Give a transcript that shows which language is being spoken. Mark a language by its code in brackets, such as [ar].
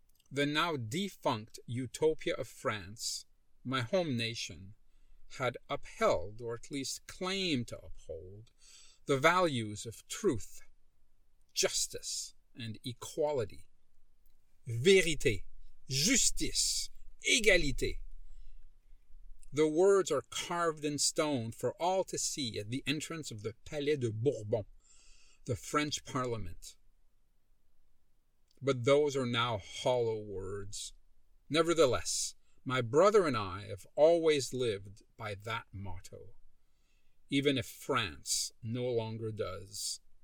[en] The now defunct Utopia of France, my home nation, had upheld, or at least claimed to uphold, the values of truth, justice, and equality. [fr] Vérité, justice, égalité. [en] The words are carved in stone for all to see at the entrance of the Palais de Bourbon, the French Parliament. But those are now hollow words. Nevertheless, my brother and I have always lived by that motto, even if France no longer does.